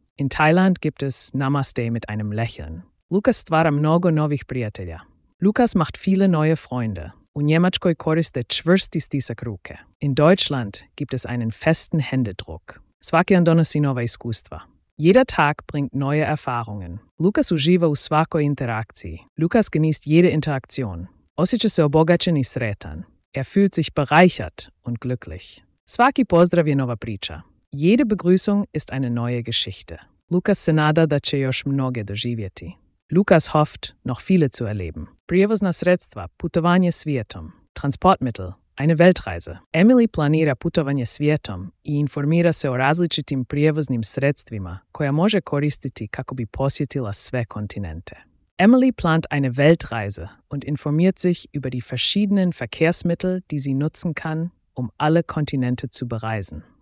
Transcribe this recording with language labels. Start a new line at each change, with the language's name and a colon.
German: In Thailand gibt es namaste mit einem Lächeln.
Croatian: Lukas stvara mnogo novih prijatelja.
German: Lukas macht viele neue Freunde.
Croatian: U Njemačkoj koriste čvrsti stisak ruke.
German: In Deutschland gibt es einen festen Händedruck.
Croatian: Svaki dan donosi nova iskustva.
German: Jeder Tag bringt neue Erfahrungen.
Croatian: Lukas uživa u svakoj interakciji.
German: Lukas genießt jede Interaktion.
Croatian: Osjeća se obogaćen i sretan.
German: Er fühlt sich bereichert und glücklich.
Croatian: Svaki pozdrav je nova priča.
German: Jede Begrüßung ist eine neue Geschichte.
Croatian: Lukas se nada da će još mnoge doživjeti.
German: Lukas hofft, noch viele zu erleben.
Croatian: Prijevozna sredstva, putovanje svijetom.
German: Transportmittel, eine Weltreise.
Croatian: Emily planira putovanje svijetom i informira se o različitim prijevoznim sredstvima koja može koristiti kako bi posjetila sve kontinente.
German: Emily plant eine Weltreise und informiert sich über die verschiedenen Verkehrsmittel, die sie nutzen kann, um alle Kontinente zu bereisen.